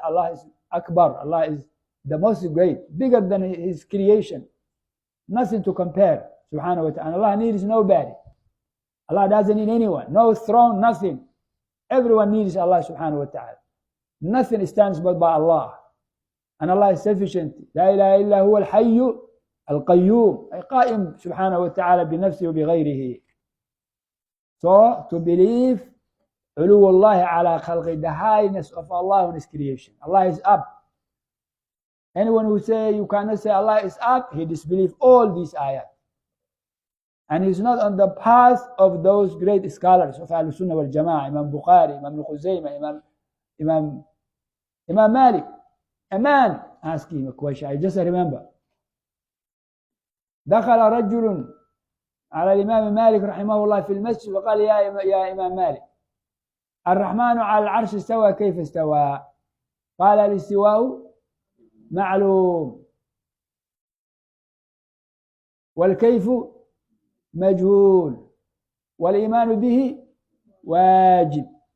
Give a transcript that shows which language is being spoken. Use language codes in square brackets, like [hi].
[en] Allah is Akbar, Allah is the most great, bigger than His creation. Nothing to compare, subhanahu wa ta'ala. And Allah needs nobody. Allah doesn't need anyone, no throne, nothing. Everyone needs Allah subhanahu wa ta'ala. Nothing stands but by Allah. And Allah is sufficient. [ar] لا إله إلا هو الحي القيوم أي قائم سبحانه وتعالى بنفسه وبغيره. [en] So to believe [ar] علو الله على خلقه, [en] the highness of Allah in His creation. Allah is up. Anyone who say you cannot say Allah is up, he disbelieves all these ayat. And he's not on the path of those great scholars of Ahlus Sunnah wal Jama'ah, Imam Bukhari, Imam Khuzaymah, Imam Malik. A man asked him a question. I just remember. [ar] دخل رجل على الإمام مالك رحمه الله في المسجد وقال يا إمام مالك الرحمن على العرش استوى كيف استوى؟ قال الاستواء معلوم والكيف مجهول والإيمان به واجب.